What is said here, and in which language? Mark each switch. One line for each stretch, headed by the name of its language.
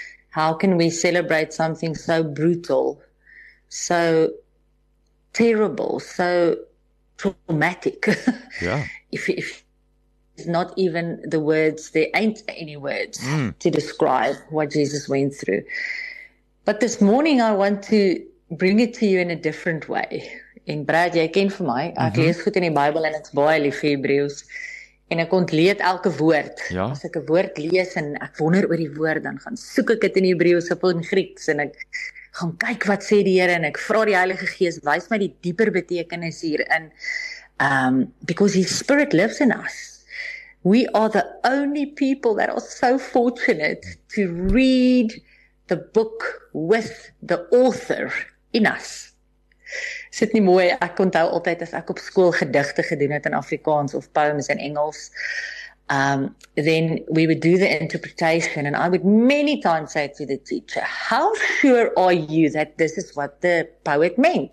English: How can we celebrate something so brutal, so terrible, so traumatic. Yeah. If it's not even the words, there ain't any words to describe what Jesus went through. But this morning I want to bring it to you in a different way.
Afrikaans: En Brad, jy ken vir my, ek lees goed in die Bybel en ek's baie lief vir Hebreëus. En ek ontleed elke woord. Ja. As ek 'n woord lees en ek wonder oor die woord, dan gaan soek ek dit in Hebreëus of in Grieks en ek gaan kyk wat sê die Here en ek vra die Heilige Gees, wys my die dieper betekenis hierin.
English: Because His Spirit lives in us. We are the only people that are so fortunate to read the book with the author in us.
Afrikaans: Sit nie mooi, ek onthou altyd as ek op skool gedigte gedoen het in Afrikaans of poems in Engels,
English: then we would do the interpretation and I would many times say to the teacher, how sure are you that this is what the poet meant?